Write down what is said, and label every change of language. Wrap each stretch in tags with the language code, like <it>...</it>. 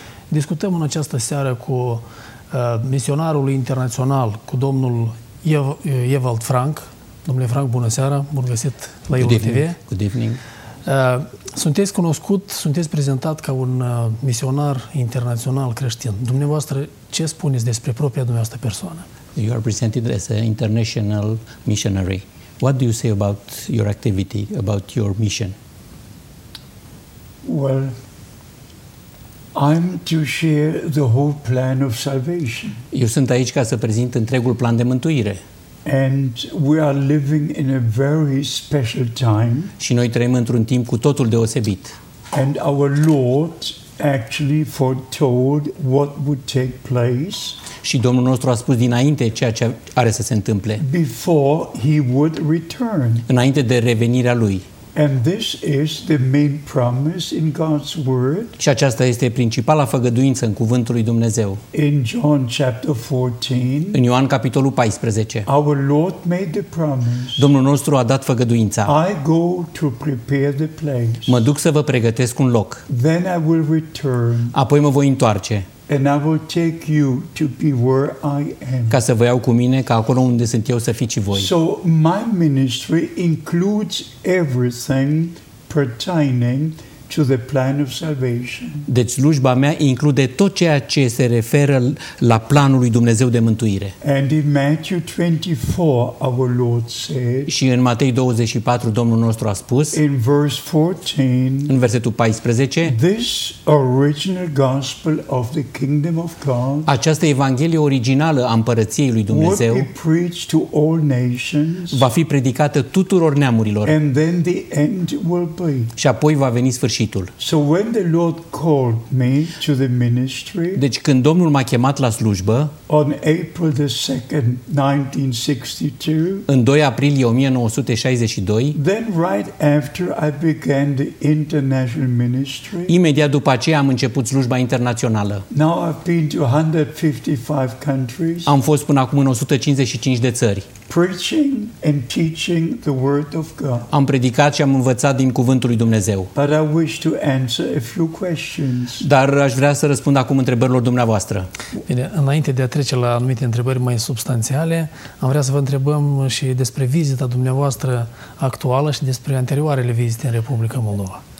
<ro>Discutăm în această seară cu misionarul internațional, cu domnul Ewald Frank. Domnule Frank, bună seara, bun găsit la EuroTV.</ro> <en>Good evening.</en> <ro>Sunteți cunoscut, sunteți prezentat ca un misionar internațional creștin. Dumneavoastră, ce spuneți despre propria dumneavoastră persoană?</ro> <en>You are presented as an international missionary. What do you say about your activity, about your mission? Well, I'm to share the whole plan of salvation.</en> <ro>Eu sunt aici ca să prezint întregul plan de mântuire.</ro> <en>And we are living in a very special time.</en> <ro>Și noi trăim într-un timp cu totul deosebit.</ro> <en>And our Lord actually foretold what would take place.</en> <ro>Și Domnul nostru a spus dinainte ceea ce are să se întâmple.</ro> <en>Before he would return.</en> <ro>Înainte de revenirea lui.</ro> <en>And this is the main promise in God's word.</en> <ro>Și aceasta este principala făgăduință în cuvântul lui Dumnezeu.</ro> <en>In John chapter 14.</en> <ro>În Ioan capitolul 14.</ro> <en>Our Lord made the promise.</en> <ro>Domnul nostru a dat făgăduința.</ro> <en>I go to prepare the place.</en> <ro>Mă duc să vă pregătesc un loc.</ro> <en>Then I will return.</en> <ro>Apoi mă voi întoarce.</ro> <en>And I will take you to be where I am.</en> <ro>Ca să vă iau cu mine, ca acolo unde sunt eu să fiți voi.</ro> <en>So my ministry includes everything pertaining to the plan of salvation.</en> <ro>Deci slujba mea include tot ceea ce se referă la planul lui Dumnezeu de mântuire.</ro> <en>And in Matthew 24, our Lord said.</en> <ro>Și în Matei 24, Domnul nostru a spus.</ro> <en>In verse 14.</en> <ro>În versetul 14.</ro> <en>This original gospel of the kingdom of God.</en> <ro>Această evanghelie originală a împărăției lui Dumnezeu.</ro> <en>Would be preached to all nations.</en> <ro>Va fi predicată tuturor neamurilor.</ro> <en>And then the end will be.</en> <ro>Și apoi va veni sfârșitul.</ro> <en>So when the Lord called me to the ministry,</en> <ro>deci când Domnul m-a chemat la slujbă,</ro> <en>on April the 2nd, 1962,</en> <ro>în 2 aprilie 1962,</ro> <en>then right after I began the international ministry,</en> <ro>imediat după aceea am început slujba internațională.</ro> <en>Now I've been to 155 countries.</en> <ro>Am fost până acum în 155 de țări.</ro> <en>Preaching and teaching the word of God.</en> <ro>Am predicat și am învățat din cuvântul lui Dumnezeu.</ro> <en>But I wish to answer a few questions.</en> <ro>Dar aș vrea să răspund acum întrebărilor dumneavoastră. Bine, înainte de a trece la anumite întrebări mai substanțiale, am vrea să vă întrebăm și despre vizita dumneavoastră actuală și despre anterioarele vizite în Republica Moldova.</ro>